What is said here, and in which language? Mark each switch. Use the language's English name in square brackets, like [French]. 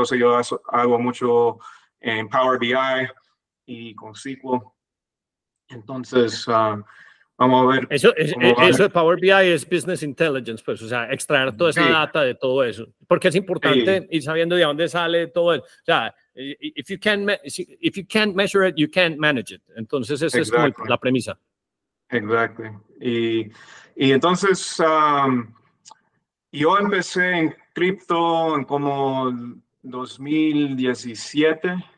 [Spanish] Entonces yo hago mucho en Power BI y con SQL. Entonces vamos a ver. Eso de Power BI es Business Intelligence, pues, o sea, extraer toda esa data de todo eso. Porque es importante ir sabiendo de dónde sale todo eso. O sea, [English] if you can't measure it, you can't manage it. [Spanish] Entonces, esa es como la premisa. Exacto. Y entonces, yo empecé en cripto en como 2017.